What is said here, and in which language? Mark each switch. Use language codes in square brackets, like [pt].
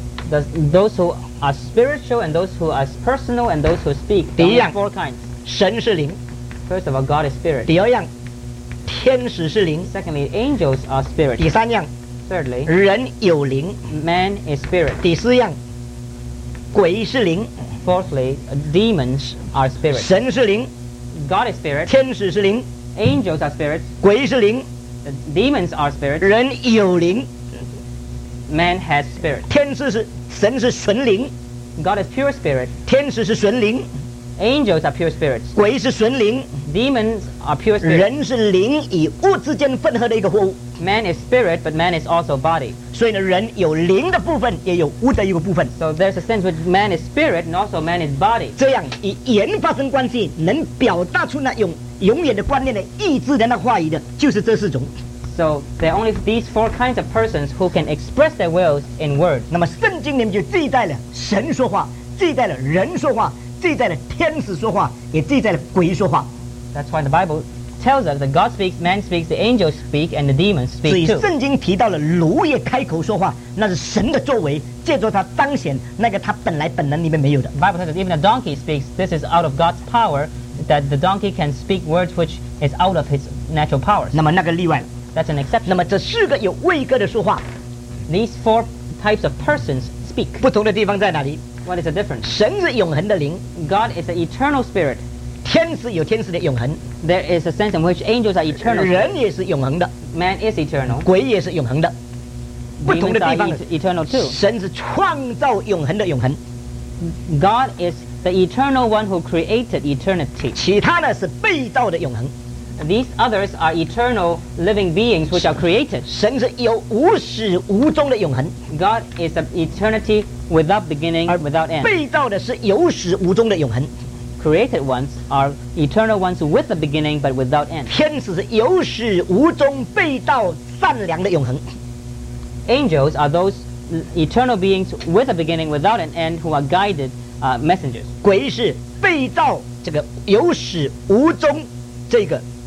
[en] Those who are spiritual and those who are personal and those who speak. [zh] 第一样 [en] ，four kinds. [zh] 神是灵。 [en] First of all, God is spirit. [zh] 第二样，天使是灵。 [en] Secondly, angels are spirit. [zh] 第三样 [en] ，thirdly, [zh] 人有灵。 [en] Man is spirit. [zh] 第四样，鬼是灵。 [en] Fourthly, demons are spirits. [zh] 神是灵， [en] God is spirit. [zh] 天使是灵， [en] angels are spirits. [zh] 鬼是灵， [en] demons are spirits. [zh] 人有灵， [en] man has spirit. [zh] 天使是神是神灵。 [en] God is pure spirit. [zh] 天使是神灵。 [en] Angels are pure spirits. [zh] 鬼是神灵。 [en] Demons are pure spirits. [zh] 人是灵与物之间混合的一个货物。 [en] Man is spirit, but man is also body. [zh] 所以呢，人有灵的部分，也有物的一个部分。 [en] So there's a sense which man is spirit, and also man is body. [zh] 这样以言发生关系，能表达出那永永远的观念的意志的那话语的，就是这四种。 [en] So there are only these four kinds of persons who can express their wills in words. [zh] 那么圣经里面就记载了神说话，记载了人说话，记载了天使说话，也记载了鬼说话。 [en] That's why the Bible tells us that God speaks, man speaks, the angels speak, and the demons speak too. [zh] 所以圣经提到了驴也开口说话，那是神的作为，借着他彰显那个他本来本能里面没有的。 [en] The Bible says that even a donkey speaks. This is out of God's power that the donkey can speak words which is out of his natural powers. [zh] 那么那个例外了。 [en] That's an exception. [zh] 那么这四个有位格的说话。 [en] These four types of persons speak. [zh] 不同的地方在哪里？ [en] What is the difference? [zh] 神是永恒的灵。 [en] God is an eternal spirit. [zh] 天使有天使的永恒。 [en] There is a sense in which angels are eternal. [zh] 人也是永恒的。 [en] Man is eternal. [zh] 鬼也是永恒的。不同的地方。 [en] Eternal too. [zh] 神是创造永恒的永恒。 [en] God is the eternal one who created eternity. [zh] 其他呢是被造的永恒。 [en] These others are eternal living beings which are created. [zh] 神是有无始无终的永恒。 [en] God is an eternity without beginning and without end. [zh] 被造的是有始无终的永恒。 [en] Created ones are eternal ones with a beginning but without end. [zh] 天使是有始无终被造善良的永恒。 [en] Angels are those eternal beings with a beginning without an end who are guided messengers. [zh] 鬼是被造这个有始无终这个。